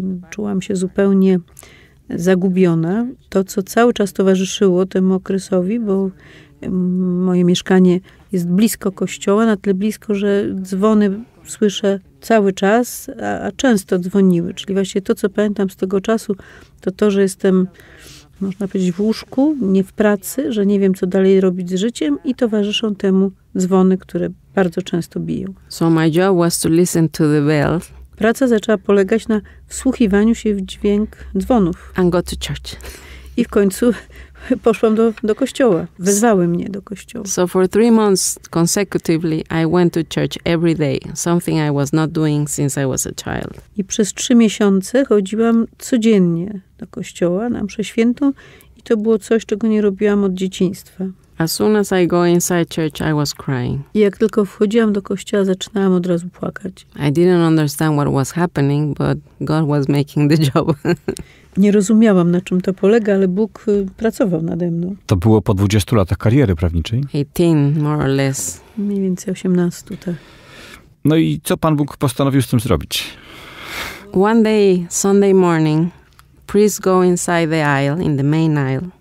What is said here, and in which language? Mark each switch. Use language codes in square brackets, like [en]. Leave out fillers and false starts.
[pl] Czułam się zupełnie zagubiona. To, co cały czas towarzyszyło temu okresowi, bo moje mieszkanie jest blisko kościoła, na tyle blisko, że dzwony słyszę cały czas, a często dzwoniły. Czyli właśnie to, co pamiętam z tego czasu, to, że jestem, można powiedzieć, w łóżku, nie w pracy, że nie wiem, co dalej robić z życiem i towarzyszą temu dzwony, które bardzo często biją. [en] So my job was to listen to the bell. [pl] Praca zaczęła polegać na wsłuchiwaniu się w dźwięk dzwonów. [en] And go to church. [pl] I w końcu poszłam do kościoła. Wezwały mnie do kościoła. [en] So for 3 months consecutively I went to church every day. Something I was not doing since I was a child. [pl] I przez 3 miesiące chodziłam codziennie do kościoła na mszę świętą i to było coś, czego nie robiłam od dzieciństwa. [en] As soon as I go inside church, I was crying. [pl] I jak tylko wchodziłam do kościoła, zaczynałam od razu płakać. [en] I didn't understand what was happening, but God was making the job. [pl] Nie rozumiałam, na czym to polega, ale Bóg pracował nade mną. To było po 20 latach kariery prawniczej? [en] 18, more or less. [pl] Mniej więcej 18, tak. No i co Pan Bóg postanowił z tym zrobić? [en] One day, Sunday morning, priest go inside the aisle, in the main aisle.